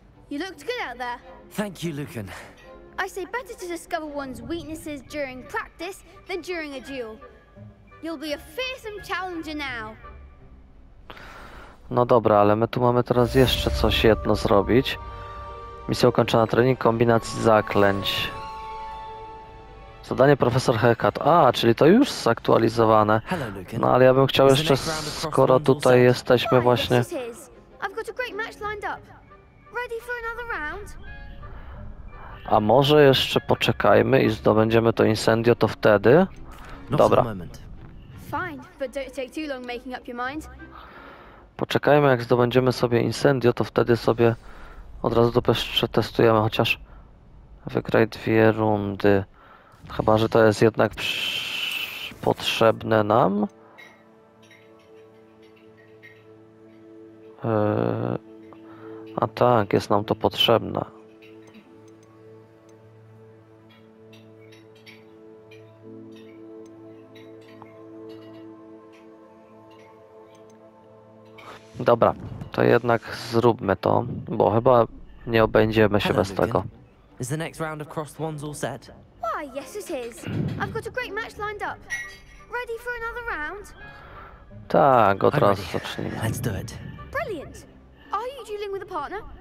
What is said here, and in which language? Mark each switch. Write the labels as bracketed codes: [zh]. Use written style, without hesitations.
[en] You looked good out there. Thank you, Lucan. I say better to discover one's weaknesses during practice than during a duel. You'll be a fearsome challenger now. [pl] No dobra, ale my tu mamy teraz jeszcze coś jedno zrobić. Misja ukończona, trening kombinacji zaklęć. Zadanie profesor Hekat. A, czyli to już zaktualizowane. No ale ja bym chciał jeszcze, skoro tutaj jesteśmy właśnie... [en] I've got a great match lined up. Ready for another round? [pl] A może jeszcze poczekajmy i zdobędziemy to incendio to wtedy? Dobra. [en] Fine, but don't take too long making up your mind. [pl] Poczekajmy, jak zdobędziemy sobie incendio, to wtedy sobie od razu to przetestujemy, chociaż wygraj dwie rundy. Chyba, że to jest jednak potrzebne nam. A tak, jest nam to potrzebne. Dobra, to jednak zróbmy to, bo chyba nie obędziemy się bez tego. [en] Is the next round of crossed wands all set? Why, yes it is. I've got a great match lined up. Ready for another round? [pl] Tak, od razu zacznijmy. [en] Let's do it. Brilliant. Are you dueling with a partner?